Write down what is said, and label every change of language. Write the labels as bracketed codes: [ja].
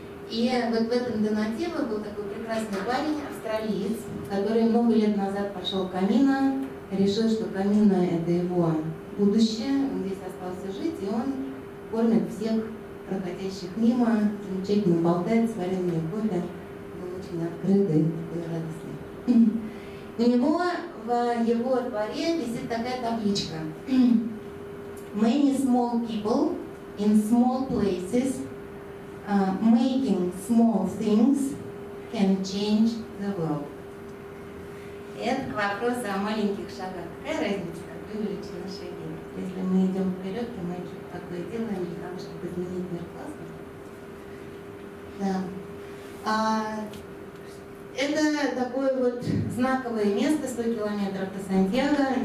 [ru] И вот в этом донативе был такой прекрасный парень, австралиец, который много лет назад пошел к Камино, решил, что Камино — это его будущее, он здесь остался жить, и он кормит всех проходящих мимо, замечательно болтает, с вареными кофе, был очень открытый и радостный. У него в его дворе висит такая табличка. [en] Many small people in small places making small things can change the world. [ru] Это к вопросу о маленьких шагах. Какая разница, как вы увеличили шаги? Если мы идем вперед, то мы что-то такое делаем для того, чтобы изменить мир классно. Да. Это такое вот знаковое место, 100 километров до Сантьяго.